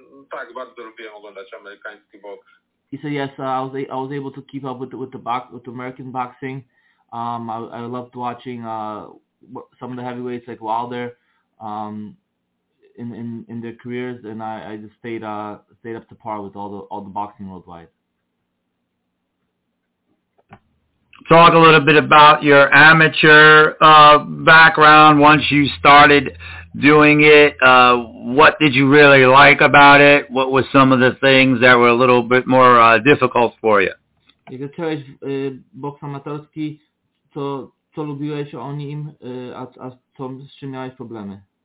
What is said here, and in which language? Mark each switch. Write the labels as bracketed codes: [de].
[pl] Tak, bardzo lubię oglądać amerykański boks. [en] He said yes, I was able to keep up with the American boxing. I loved watching some of the heavyweights like Wilder in their careers, and I just stayed up to par with all the boxing worldwide. Talk a little bit about your amateur background once you started doing it. What did you really like about it? What were some of the things that were a little bit more difficult for you? [pl] Jak zacząłeś boks amatorski, co lubiłeś o nim, a co, z czym miałeś problemy?